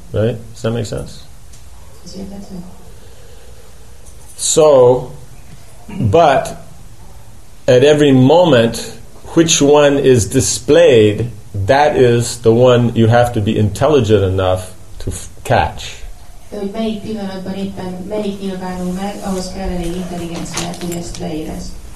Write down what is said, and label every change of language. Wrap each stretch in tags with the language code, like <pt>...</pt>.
<en>Right? Does that make sense?</en> <hu>Ez érthető.</hu> <en>So, but at every moment which one is displayed, that is the one you have to be intelligent enough to catch.</en> <hu>De hogy melyik pillanatban éppen melyik nyilvánul meg, ahhoz kellene egy intelligenciát, hogy ezt leérez.</hu>